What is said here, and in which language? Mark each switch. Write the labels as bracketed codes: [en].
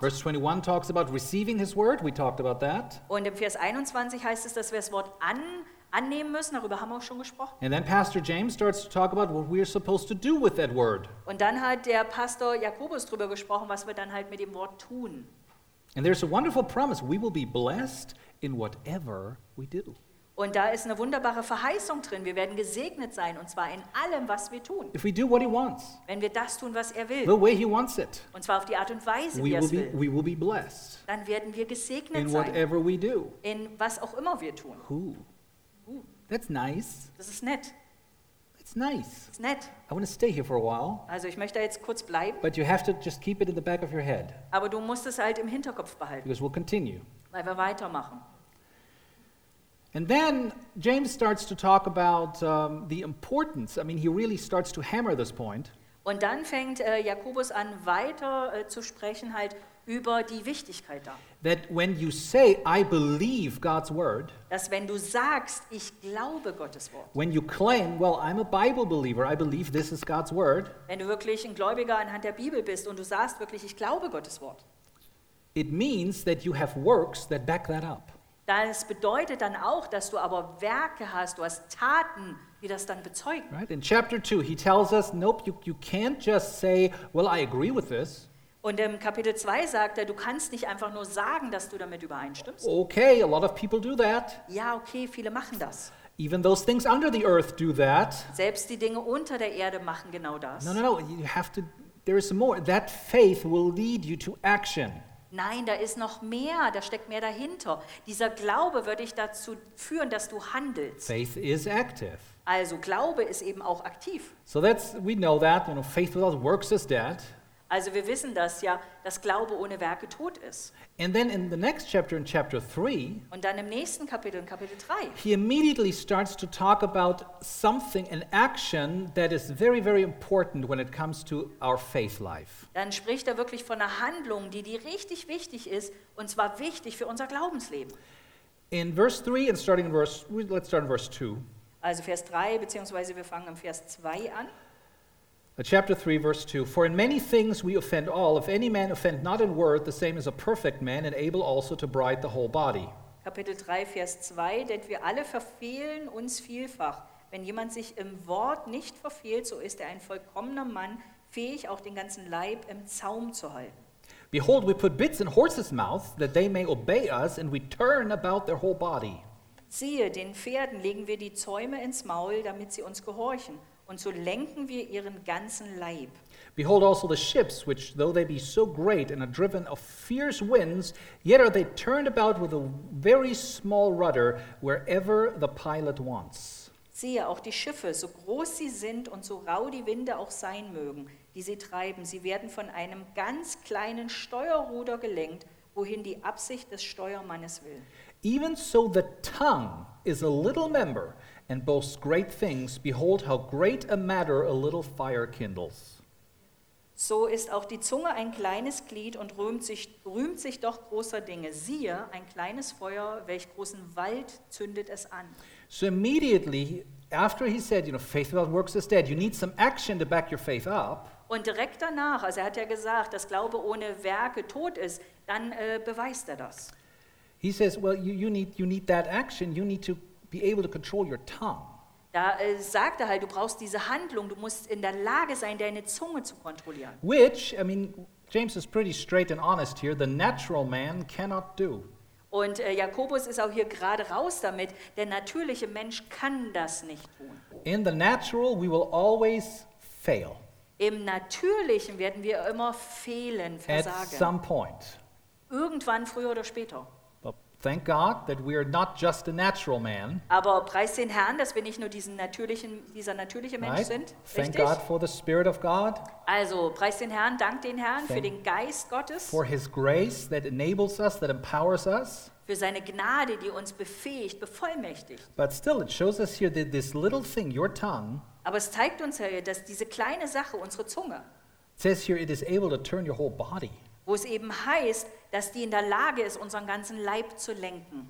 [en] Verse 21 talks about receiving his word. We talked about that. [de] Und im Vers 21 heißt es, dass wir das Wort annehmen müssen. Darüber haben wir auch schon gesprochen. [en] And then Pastor James starts to talk about what we are supposed to do with that word. [de] Und dann hat der Pastor Jakobus darüber gesprochen, was wir dann halt mit dem Wort tun. [en] And there's a wonderful promise. We will be blessed in whatever we do. [de] Und da ist eine wunderbare Verheißung drin. Wir werden gesegnet sein, und zwar in allem, was wir tun. [en] If we do what he wants, [de] wenn wir das tun, was er will, [en] the way he wants it, [de] und zwar auf die Art und Weise, wie er es will, [en] we will be blessed, [de] dann werden wir gesegnet sein. [en] In whatever we do. [de] In was auch immer wir tun. [en] That's nice. [de] Das ist nett. [en] It's nice. It's nett. I want to stay here for a while. [de] Also ich möchte jetzt kurz bleiben. [en] But you have to just keep it in the back of your head. [de] Aber du musst es halt im Hinterkopf behalten. [en] Because we'll continue. [de] Weil wir weitermachen. [en] And then James starts to talk about the importance. I mean, he really starts to hammer this point. [de] Und dann fängt Jakobus an, weiter zu sprechen halt über die Wichtigkeit da. [en] That when you say, I believe God's word, [de] dass wenn du sagst, ich glaube Gottes Wort, [en] when you claim, well, I'm a Bible believer, I believe this is God's word, [de] wenn du wirklich ein Gläubiger anhand der Bibel bist und du sagst wirklich, ich glaube Gottes Wort, [en] it means that you have works that back that up. [de] Das bedeutet dann auch, dass du aber Werke hast, du hast Taten, die das dann bezeugen. [en] Right? In chapter 2, he tells us, nope, you can't just say, well, I agree with this. [de] Und im Kapitel 2 sagt er, du kannst nicht einfach nur sagen, dass du damit übereinstimmst. [en] Okay, a lot of people do that. [de] Ja, okay, viele machen das. [en] Even those things under the earth do that. [de] Selbst die Dinge unter der Erde machen genau das. [en] No, you have to, there is more. That faith will lead you to action. [de] Nein, da ist noch mehr, da steckt mehr dahinter. Dieser Glaube wird dich dazu führen, dass du handelst. [en] Faith is active. [de] Also Glaube ist eben auch aktiv. [en] So that's, we know that, you know, faith without works is dead. [de] Also wir wissen das ja, dass Glaube ohne Werke tot ist. [en] And then in the next chapter, in chapter 3, [de] und dann im nächsten Kapitel, in Kapitel 3, [en] he immediately starts to talk about something, an action that is very, very important when it comes to our faith life. [de] Dann spricht er wirklich von einer Handlung, die richtig wichtig ist, und zwar wichtig für unser Glaubensleben. [en] In verse 3, and starting in verse, let's start in verse 2. [de] Also Vers 3, beziehungsweise wir fangen im Vers 2 an. [en] Chapter 3, verse 2. For in many things we offend all. If any man offend not in word, the same is a perfect man, and able also to bridle the whole body. [de] Kapitel 3, Vers 2. Denn wir alle verfehlen uns vielfach. Wenn jemand sich im Wort nicht verfehlt, so ist er ein vollkommener Mann, fähig auch den ganzen Leib im Zaum zu halten. [en] Behold, we put bits in horses' mouth, that they may obey us, and we turn about their whole body. [de] Siehe, den Pferden legen wir die Zäume ins Maul, damit sie uns gehorchen. Und so lenken wir ihren ganzen Leib. [en] Behold also the ships, which though they be so great and are driven of fierce winds, yet are they turned about with a very small rudder wherever the pilot wants. [de] Siehe, auch die Schiffe, so groß sie sind und so rau die Winde auch sein mögen, die sie treiben, sie werden von einem ganz kleinen Steuerruder gelenkt, wohin die Absicht des Steuermannes will. [en] Even so the tongue is a little member, and boasts great things. Behold, how great a matter a little fire kindles. [de] So ist auch die Zunge ein kleines Glied und rühmt sich doch großer Dinge. Siehe, ein kleines Feuer, welch großen Wald zündet es an. [en] So immediately after he said, you know, faith without works is dead, you need some action to back your faith up. [de] Und direkt danach, also er hat ja gesagt, dass Glaube ohne Werke tot ist, dann beweist er das. [en] He says, well, you need that action. You need to be able to control your tongue. [de] Da sagt er halt, du brauchst diese Handlung, du musst in der Lage sein, deine Zunge zu kontrollieren. [en] Which, I mean, James is pretty straight and honest here, the natural man cannot do. [de] Und Jakobus ist auch hier gerade raus damit, der natürliche Mensch kann das nicht tun. [en] In the natural we will always fail. [de] Im Natürlichen werden wir immer fehlen, versagen. [en] At some point. [de] Irgendwann, früher oder später. [en] Thank God that we are not just a natural man. [de] Aber preis den Herrn, dass wir nicht nur diesen natürlichen, dieser natürliche Mensch sind. [en] Thank [de] richtig? [en] God for the Spirit of God. [de] Also preis den Herrn, dank den Herrn Thank für den Geist Gottes. [en] For His grace that enables us, that empowers us. [de] Für seine Gnade, die uns befähigt, bevollmächtigt. [en] But still, it shows us here that this little thing, your tongue. [de] Aber es zeigt uns hier, dass diese kleine Sache, unsere Zunge. [en] It says here it is able to turn your whole body. [de] Wo es eben heißt, dass die in der Lage ist, unseren ganzen Leib zu lenken.